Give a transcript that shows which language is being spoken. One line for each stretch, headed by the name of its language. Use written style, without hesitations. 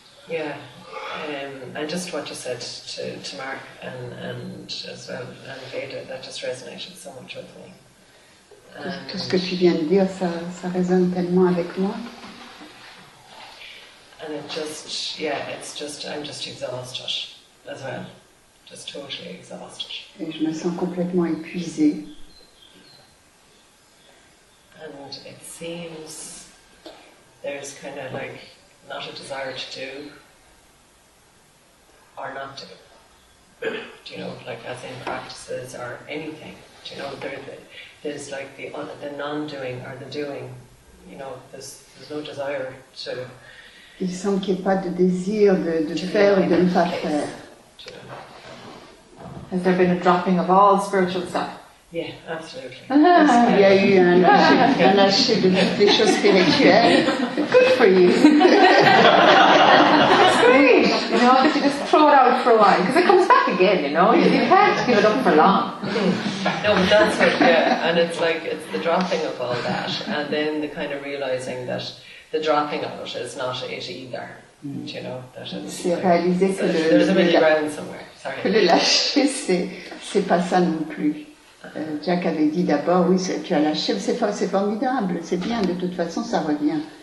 English: And just what you said to Mark and as well and Veda, that just resonated so much with me.
French: Tout ce que tu viens de dire, ça résonne tellement avec moi.
English: And I'm just exhausted as well. Just totally exhausted.
French: Et je me sens complètement épuisée.
English: And it seems there's kind of like not a desire to do. Or not to, do you know, like as in practices or anything, do you know, there's like the non-doing or the doing, you know, there's no desire to.
French: Il semble qu'il n'y ait pas de désir de faire ou de ne pas case. Faire.
English: Has there been a dropping of all spiritual stuff? Yeah, absolutely.
French: Ah, il y a eu un lâcher de toutes les choses spirituelles.
English: Good for you. That's great. You know, you just throw it out for a while, because it comes back again, you know. You can't give it up for long. No, but that's what, yeah, and it's like, it's the dropping of all that, and then the kind of realizing that the dropping of it is not it either. Do you know? That it's
French: like, réaliser
English: que there's a middle ground somewhere. Sorry.
French: Que le lâcher, c'est pas ça non plus. Jack avait dit d'abord, oui, tu as lâché, c'est formidable, c'est bien, de toute façon, ça revient.